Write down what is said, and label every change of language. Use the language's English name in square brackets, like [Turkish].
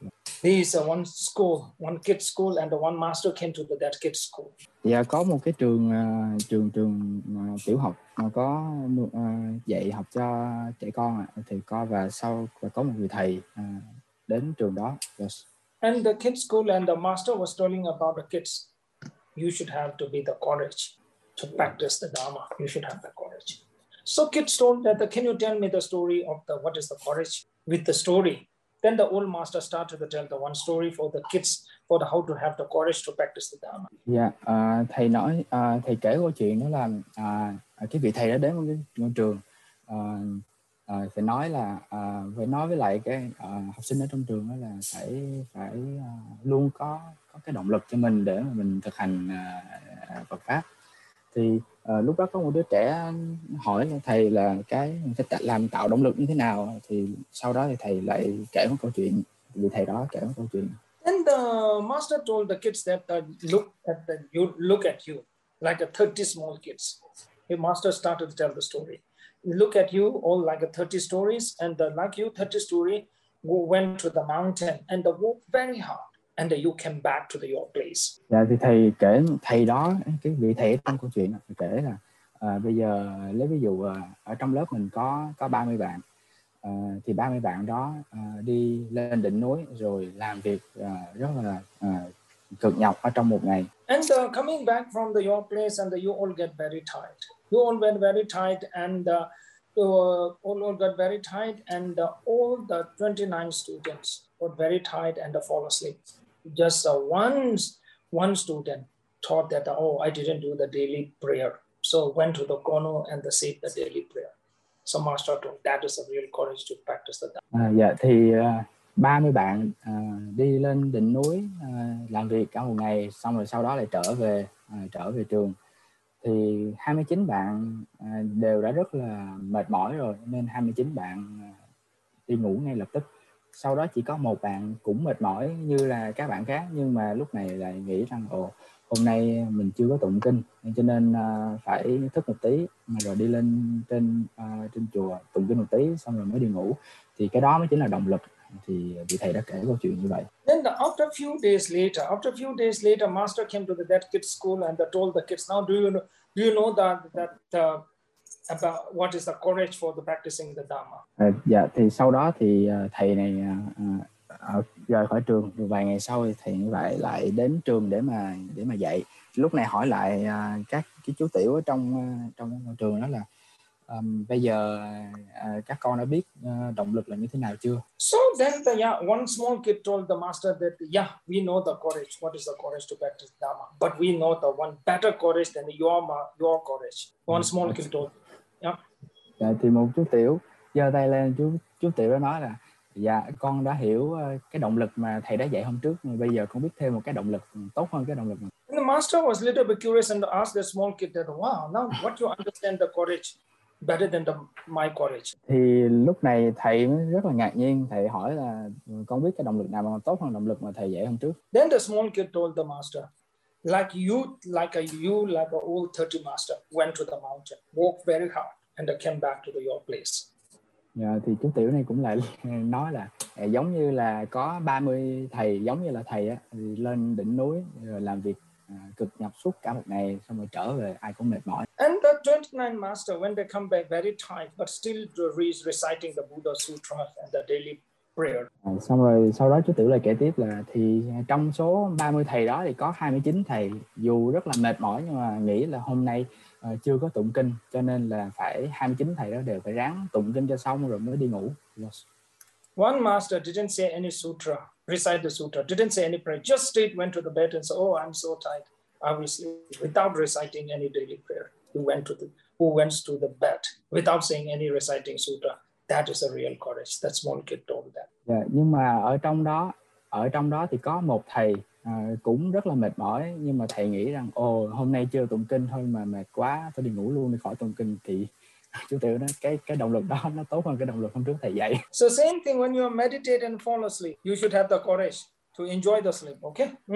[English] This is one school, one kid's school, and one master came to that kid's school. [Vietnamese] Dạ, có một cái trường tiểu học có dạy học cho trẻ con ạ. Thầy có và sau và có một người thầy đến trường đó. [English] Yes. And the kid's school and the master was telling about the kids, you should have to be the courage to practice the Dharma. You should have the courage. So kids told that, can you tell me the story of the what is the courage with the story? Then the old master started to tell the one story for the kids for the how to have the courage to practice the Dharma. [Vietnamese] Yeah, thầy nói, thầy kể câu chuyện đó là cái vị thầy đó đến một cái trường. Phải nói là phải nói với lại cái học sinh ở trong trường đó là phải luôn có cái động lực cho mình để mà mình thực hành Phật pháp. Thì lúc đó có một đứa trẻ hỏi thầy là cái làm tạo động lực như thế nào, thì sau đó thì thầy lại kể một câu chuyện, vì thầy đó kể một câu chuyện. [English] Then the master told the kids that look at you like a 30 small kids. The master started to tell the story. Look at you all like a 30 stories, and like you 30 story went to the mountain and worked very hard, and you came back to your place. [Vietnamese] Dạ, thì thầy kể thầy đó cái vị thầy trong câu chuyện thầy kể là bây giờ lấy ví dụ ở trong lớp mình có 30 bạn, thì 30 bạn đó đi lên đỉnh núi rồi làm việc rất là cực nhọc ở trong một ngày. [English] And coming back from your place and you all get very tired. You all went very tight and all got very tight and all the 29 students got very tight and fall asleep. Just one student thought that, oh, I didn't do the daily prayer. So went to the corner and said the daily prayer. So master told that is a real courage to practice the Dharma. [Vietnamese] Yeah, thì 30 bạn đi lên đỉnh núi làm việc cả một ngày, xong rồi sau đó lại trở về trường. Thì 29 bạn đều đã rất là mệt mỏi rồi nên 29 bạn đi ngủ ngay lập tức. Sau đó chỉ có một bạn cũng mệt mỏi như là các bạn khác, nhưng mà lúc này lại nghĩ rằng ồ, hôm nay mình chưa có tụng kinh cho nên phải thức một tí rồi đi lên trên trên chùa tụng kinh một tí xong rồi mới đi ngủ. Thì cái đó mới chính là động lực thì vị thầy đã kể câu chuyện như vậy. [English] Then the, after a few days later, master came to that kid's school and told the kids, now do you know that about what is the courage for the practicing the dharma? [Vietnamese] Dạ, thì sau đó thì thầy này rời khỏi trường, vài ngày sau thì thầy lại lại đến trường để mà dạy. Lúc này hỏi lại các cái chú tiểu ở trong trong trường đó là bây giờ các con đã biết động lực là như thế nào chưa? [English] So then the one small kid told the master that yeah, we know the courage. What is the courage to practice dharma? But we know the one better courage than your courage. One small kid told. Yeah. [Vietnamese] Thì một chú tiểu giơ tay lên, chú tiểu đó nói là dạ con đã hiểu cái động lực mà thầy đã dạy hôm trước, bây giờ con biết thêm một cái động lực tốt hơn cái động lực này. [English] The master was a little bit curious and asked the small kid that, wow, now what you understand the courage better than the my courage? [Vietnamese] Thì lúc này thầy rất là ngạc nhiên, thầy hỏi là con biết cái động lực nào mà tốt hơn động lực mà thầy dạy hôm trước. [English] Then the small kid told the master, like a old 30 master went to the mountain, worked very hard and came back to your place. [Vietnamese] Yeah, thì chú tiểu này cũng lại nói là giống như là có 30 thầy, giống như là thầy á, lên đỉnh núi rồi làm việc cực nhọc suốt cả một ngày xong rồi trở về ai cũng mệt mỏi. [English] And the 29 master when they come back very tired but still reciting the Buddha sutra and the daily prayer. [Vietnamese] Xong rồi sau đó chú tiểu lại kể tiếp là thì trong số 30 thầy đó thì có 29 thầy dù rất là mệt mỏi nhưng mà nghĩ là hôm nay chưa có tụng kinh cho nên là phải 29 thầy đó đều phải ráng tụng kinh cho xong rồi mới đi ngủ. [English] Yes. One master didn't say any sutra, recite the sutra, didn't say any prayer, just straight went to the bed and said, oh, I'm so tired, I will sleep without reciting any daily prayer. Who went to the bed without saying any reciting sutra. That is a real courage. That small kid told that. [Vietnamese] Yeah, nhưng mà ở trong đó thì có một thầy cũng rất là mệt mỏi nhưng mà thầy nghĩ rằng ồ hôm nay chưa tụng kinh thôi mà mệt quá tôi đi ngủ luôn đi khỏi tụng kinh thì chú tiểu nói cái động lực đó nó tốt hơn cái động lực hôm trước thầy dạy. [English] So same thing when you meditate and fall asleep, you should have the courage to enjoy the sleep, okay?